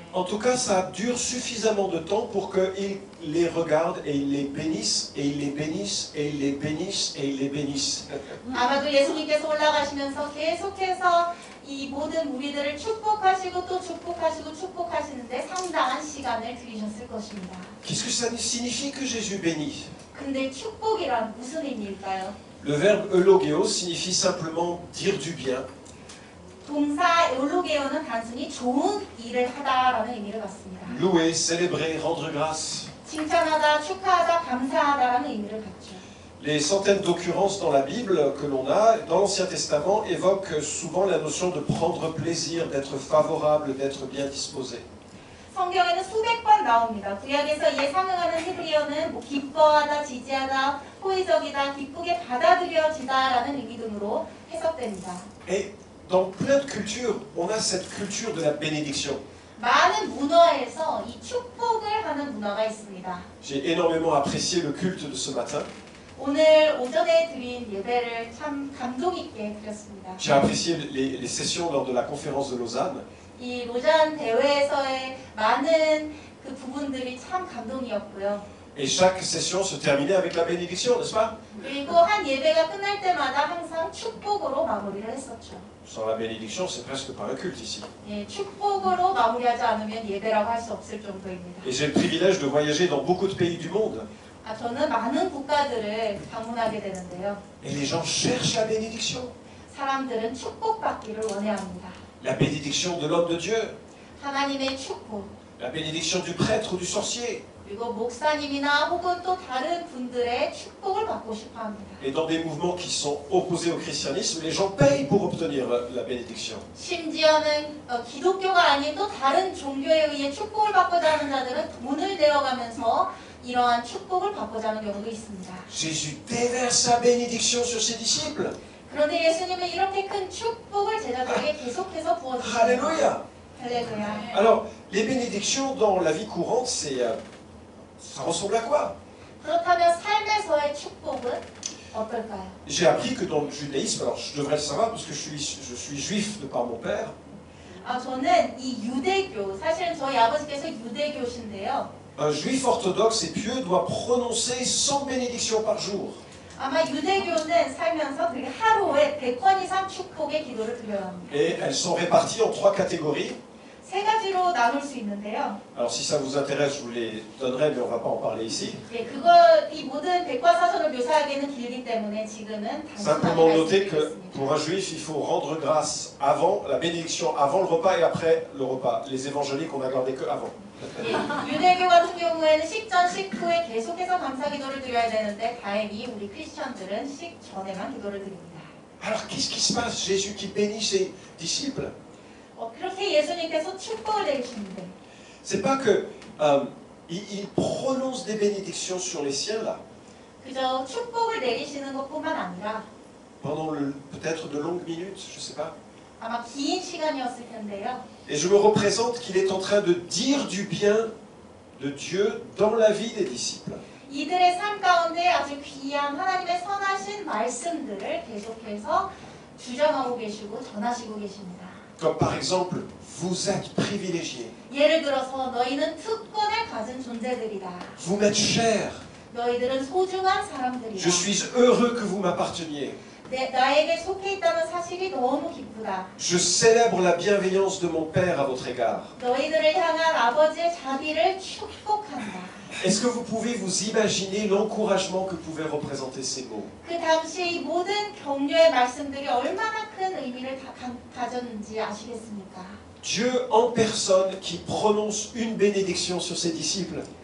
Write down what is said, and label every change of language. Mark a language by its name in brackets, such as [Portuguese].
[French] En tout cas, ça dure suffisamment de temps pour qu'il les regarde et il les bénisse et il les bénisse et il les bénisse et il les bénisse. [Korean] 아마도 예수님께서 올라가시면서 계속해서 이 모든 무리들을 축복하시고 또 축복하시고 축복하시는데 상당한 시간을 들이셨을 것입니다. [French] Qu'est-ce que ça signifie que Jésus bénit? [Korean] 근데 축복이란 무슨 의미일까요? [French] Le verbe eulogéo signifie simplement dire du bien. [Korean] 동사 eulogéo는 단순히 좋은 일을 하다라는 의미를 갖습니다. [French] Louer, célébrer, rendre grâce. [Korean] 칭찬하다, 축하하다, 감사하다라는 의미를 갖죠. [French] Les centaines d'occurrences dans la Bible que l'on a, dans l'Ancien Testament, évoquent souvent la notion de prendre plaisir, d'être favorable, d'être bien disposé. [Korean] 성경에는 수백 번 나옵니다. 구약에서 예상하는 히브리어는 뭐 기뻐하다, 지지하다, 호의적이다, 기쁘게 받아들여지다라는 의미 등으로 해석됩니다. [French] Et dans plein de cultures, on a cette culture de la bénédiction. [Korean] 많은 문화에서 이 축복을 하는 문화가 있습니다. [French] J'ai énormément apprécié le culte de ce matin. [Korean] 오늘 오전에 드린 예배를 참 감동 있게 드렸습니다. [French] J'ai apprécié les sessions lors de la conférence de Lausanne. [Korean] 이 로잔 대회에서의 많은 그 부분들이 참 감동이었고요. [French] Et chaque session se terminait avec la bénédiction, n'est-ce pas? [Korean] 그리고 한 예배가 끝날 때마다 항상 축복으로 마무리를 했었죠. [French] Sans la bénédiction, c'est presque pas un culte ici. [Korean] 예, 축복으로 마무리하지 않으면 예배라고 할 수 없을 정도입니다. [French] Et j'ai le privilège de voyager dans beaucoup de pays du monde. [Korean] 아, 저는 많은 국가들을 방문하게 되는데요. [French] Et les gens cherchent la bénédiction. [Korean] 사람들은 축복받기를 원해합니다. [French] La bénédiction de l'homme de Dieu. [Korean] 하나님의 축복. [French] La bénédiction du prêtre ou du sorcier. [Korean] 그리고 목사님이나 혹은 또 다른 분들의 축복을 받고 싶어합니다. [French] Et dans des mouvements qui sont opposés au christianisme, les gens payent pour obtenir la bénédiction. [Korean] 심지어는 기독교가 아닌 또 다른 종교에 의해 축복을 받고자 하는 자들은 돈을 내어가면서 이러한 축복을 받고자 하는 경우도 있습니다. [French] Jésus déverse sa bénédiction sur ses disciples. [Korean] 그런데 예수님은 이렇게 큰 축복을 제자들에게 계속해서 부어주십니다. [French] Alléluia. Alléluia. Alors, les bénédictions dans la vie courante, ça ressemble à quoi? [Korean] 그렇다면 삶에서의 축복은 어떨까요? [French] J'ai appris que dans le judaïsme, alors je devrais le savoir parce que je suis juif de par mon père. [Korean] 아, 저는 이 유대교, 사실 저희 아버지께서 유대교신데요. [French] Un juif orthodoxe et pieux doit prononcer 100 bénédictions par jour. [Korean] 아마 유대교는 살면서 그 하루에 100권 이상 축복의 기도를 드려야 합니다. [French] Et elles sont réparties en 3 catégories. [Korean] 세 가지로 나눌 수 있는데요. [French] Alors si ça vous intéresse, je vous les donnerai, mais on ne va pas en parler ici. [Korean] 예, 그거 이 모든 백과사전을 묘사하기에는 길기 때문에 지금은 [French] simplement noter que pour un juif, il faut rendre grâce avant la bénédiction, avant le repas et après le repas. Les évangéliques, on a gardé que avant. [Korean] 예, 유대교 같은 경우에는 식전 식후에 계속해서 감사 기도를 드려야 되는데 다행히 우리 크리스천들은 식전에만 기도를 드립니다. [French] Alors qu'est-ce qui se passe, Jésus qui bénit ses disciples? [Korean] 그렇게 예수님께서 축복을 내리시는데. [French] C'est pas que il prononce des bénédictions sur les siens là. [Korean] 그저 축복을 내리시는 것뿐만 아니라. [French] Pendant peut-être de longues minutes, je sais pas. [Korean] 아마 긴 시간이었을 텐데요. [French] Et je me représente qu'il est en train de dire du bien de Dieu dans la vie des disciples. [Korean] 이들의 삶 가운데 아주 귀한 하나님의 선하신 말씀들을 계속해서 주장하고 계시고 전하시고 계십니다. [French] Comme par exemple, vous êtes privilégiés. [Korean] 예를 들어서 너희는 특권을 가진 존재들이다. [French] Vous m'êtes cher. [Korean] 너희들은 소중한 사람들이다. [French] Je suis heureux que vous m'apparteniez. [Korean] 나에게 속해 있다는 사실이 너무 기쁘다. [French] Je célèbre la bienveillance de mon père à votre égard. [Korean] 너희들을 향한 아버지의 자비를 축복한다. [French] Est-ce que vous pouvez vous imaginer l'encouragement que pouvaient représenter ces mots? [Korean] 그 당시 이 모든 격려의 말씀들이 얼마나 큰 의미를 가졌는지 아시겠습니까? [French] Dieu en personne qui prononce une bénédiction sur ses disciples.